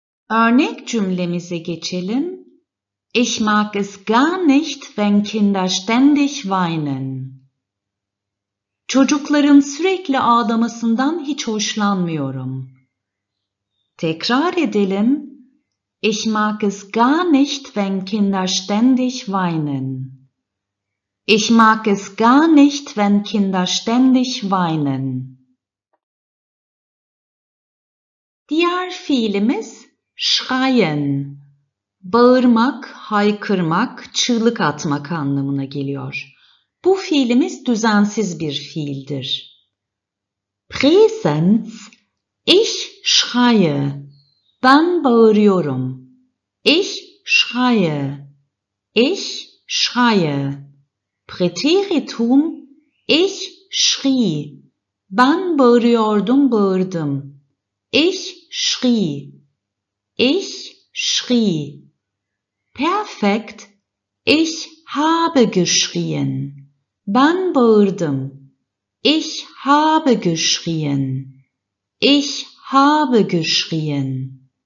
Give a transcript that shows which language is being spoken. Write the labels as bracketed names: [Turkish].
[Turkish] Örnek cümlemize geçelim. [German] Ich mag es gar nicht, wenn Kinder ständig weinen. [Turkish] Çocukların sürekli ağlamasından hiç hoşlanmıyorum. Tekrar edelim. [German] Ich mag es gar nicht, wenn Kinder ständig weinen. Ich mag es gar nicht, wenn Kinder ständig weinen. [Turkish] Diğer fiilimiz schreien. Bağırmak, haykırmak, çığlık atmak anlamına geliyor. Bu fiilimiz düzensiz bir fiildir. [German] Präsens, ich schreie. [Turkish] Ben bağırıyorum. [German] Ich schreie. Ich schreie. Präteritum, ich schrie. [Turkish] Ben bağırıyordum, bağırdım. [German] Ich schrie. Ich schrie. Perfekt, ich habe geschrien. [Turkish] Ben bağırdım. [German] Ich habe geschrien. Ich habe geschrien.